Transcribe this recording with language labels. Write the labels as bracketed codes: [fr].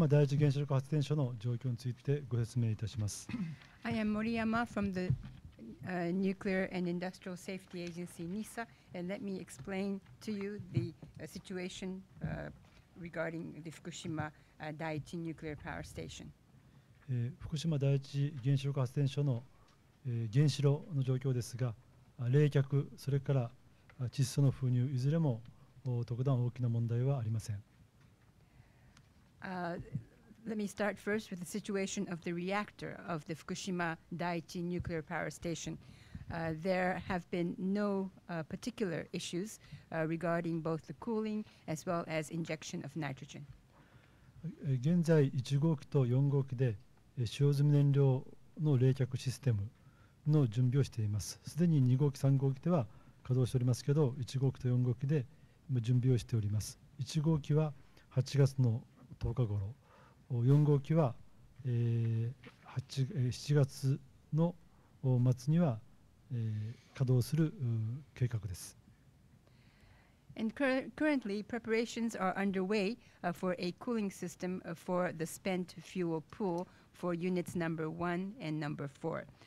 [ja] 原子力安全保安員の森山です。それでは福島第一原子力発電所の状況についてご説明いたします。 [en] I am Moriyama from the Nuclear and Industrial Safety Agency, NISA, and let me explain to you the situation regarding the Fukushima Daiichi Nuclear Power Station. [ja] Fukushima Daiichi 原子力発電所の 原子炉の状況ですが、 冷却、それから窒素の封入、いずれも 特段大きな問題はありません。 [en] Let me start first with the situation of the reactor of the Fukushima Daiichi Nuclear Power Station. There have been no particular issues regarding both the cooling as well as injection of nitrogen. [ja] 現在1号機と4号機で使用済み燃料の冷却システムの準備をしています。すでに2号機3号機では稼働しておりますけど、1号機と4号機で準備をしております。 1号機は8月の10日頃、4号機は、7月の末には、稼働する計画です。 [en] And currently preparations are underway for a cooling system for the spent fuel pool for units number 1 and number 4.